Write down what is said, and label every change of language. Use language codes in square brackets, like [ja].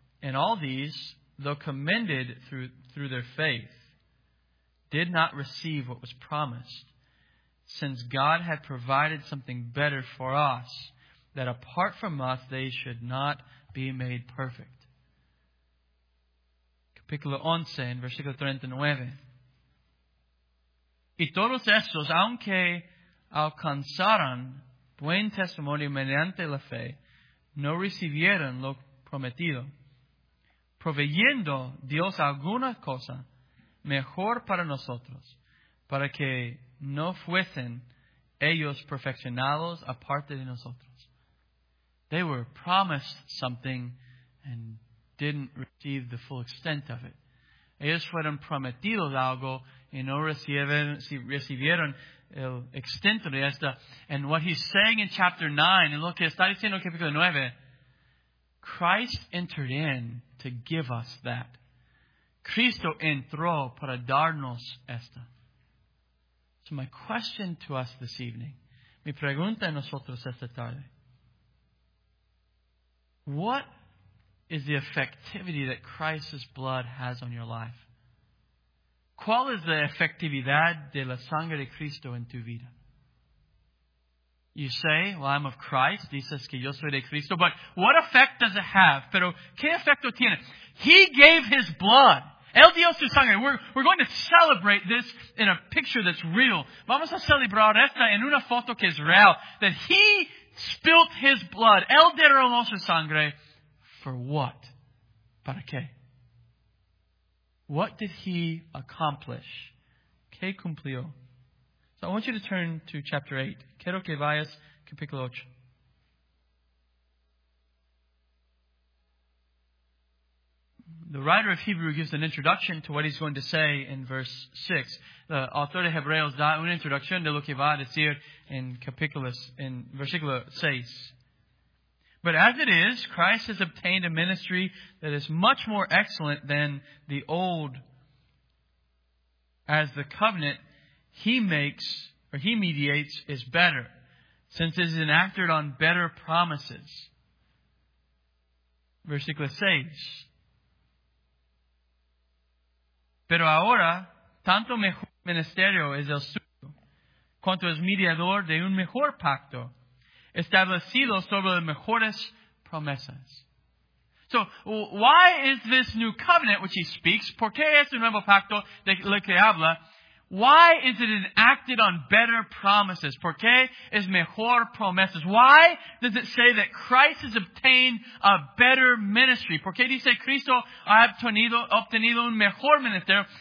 [en] And all these, though commended through their faith, did not receive what was promised, since God had provided something better for us, that apart from us, they should not be made perfect. [es] Capítulo 11, en versículo 39. Y todos estos, aunque alcanzaran buen testimonio mediante la fe, no recibieron lo prometido, proveyendo Dios alguna cosa mejor para nosotros, para que no fuesen ellos perfeccionados aparte de nosotros. [en] They were promised something and didn't receive the full extent of it. [es] Ellos fueron prometidos algo y no recibieron el extento de esta. [en] And what he's saying in chapter 9, and [es] lo que está diciendo en capítulo 9, [en] Christ entered in to give us that. [es] Cristo entró para darnos esta. [en] So So my question to us this evening, [es] mi pregunta a nosotros esta tarde, [en] what is the effectivity that Christ's blood has on your life? [es] ¿Cuál es la efectividad de la sangre de Cristo en tu vida? [en] You say, well, I'm of Christ. [es] Dices que yo soy de Cristo. [en] But what effect does it have? [es] Pero, ¿qué efecto tiene? [en] He gave His blood. [es] Él dio su sangre. [en] We're going to celebrate this in a picture that's real. [es] Vamos a celebrar esta en una foto que es real. [en] That He spilt His blood. [es] Él derramó su sangre. [en] For what? [es] ¿Para qué? [en] What did He accomplish? [es] ¿Qué cumplió? [en] So I want you to turn to chapter 8. [es] Quiero que vayas capítulo 8. [en] The writer of Hebrew gives an introduction to what he's going to say in verse 6. The author [es] de Hebreos da una introducción de lo que va a decir en versículo 6. [en] But as it is, Christ has obtained a ministry that is much more excellent than the old, as the covenant He makes, or He mediates, is better, since it is enacted on better promises. [es] Versículo 6. Pero ahora, tanto mejor ministerio es el suyo, cuanto es mediador de un mejor pacto, establecido sobre las mejores promesas. [en] So, why is this new covenant which He speaks? [es] ¿Por qué es el nuevo pacto de lo que habla? [en] Why is it enacted on better promises? [es] ¿Por qué es mejor promesas? [en] Why does it say that Christ has obtained a better ministry? [es] ¿Por qué dice Cristo ha obtenido un mejor ministerio?